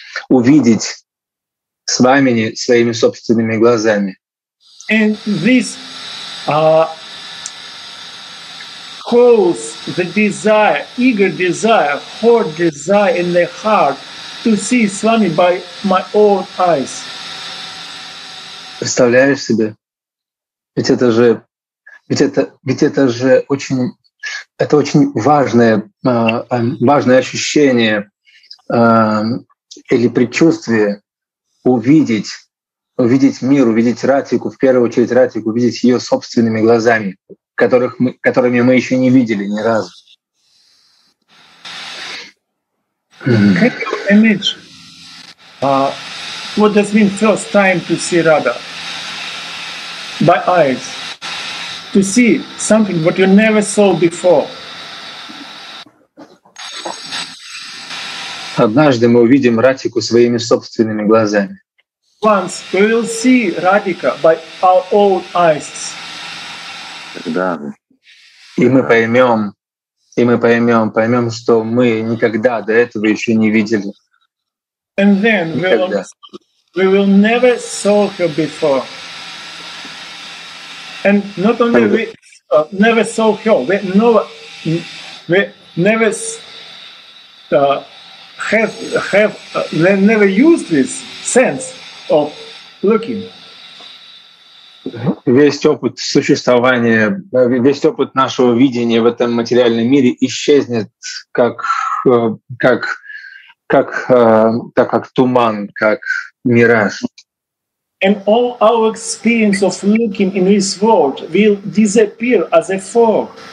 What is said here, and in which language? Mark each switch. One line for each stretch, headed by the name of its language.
Russian: Увидеть с вами своими собственными глазами.
English: And this calls the desire, eager desire, hot desire in the heart to see Swami by my own eyes.
Russian: Представляешь себе? Ведь это очень важное ощущение. Или предчувствие увидеть мир, увидеть Радхику, в первую очередь Радхику, увидеть ее собственными глазами, которыми мы еще не видели ни разу.
English: Can you imagine what does mean first time to see Radha by eyes, to see something what you never saw before?
Russian: Однажды мы увидим Радхику своими собственными глазами.
English: Once we will see Radhika by our own eyes.
Russian: Тогда. И мы поймем, что мы никогда до этого еще не видели.
English: And then we will never saw her before. And not only
Russian: тогда.
English: We never saw her, we never used this sense of looking.
Russian: Весь опыт существования, весь опыт нашего видения в этом материальном мире исчезнет как туман, как мираж.
English: And all our experience of looking in this world will disappear as a fog.